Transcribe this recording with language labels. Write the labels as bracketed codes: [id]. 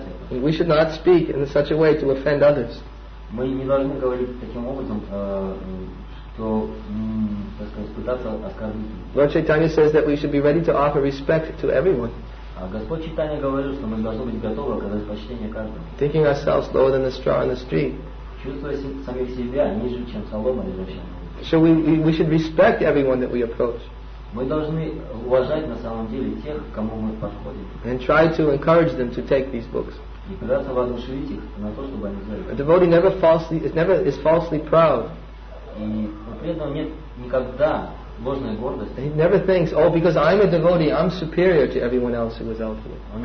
[en] We should not speak in such a way to offend others. [ru] Мы не должны говорить таким образом, что, так сказать, пытаться оскорбить. [en] Lord Chaitanya says that we should be ready to offer respect to everyone. [ru] А Господь Чайтанья говорил, что мы должны быть готовы оказать почтение каждому. [en] Thinking ourselves lower than the straw on the street. [ru] Чувствуя самих себя ниже, чем солома лежащая. [en] So we should respect everyone that we approach. [ru] Мы должны уважать на самом деле тех, кому мы подходим. [en] And try to encourage them to take these books. A devotee never is falsely proud. And he never thinks, oh, because I'm a devotee, I'm superior to everyone else who is out there.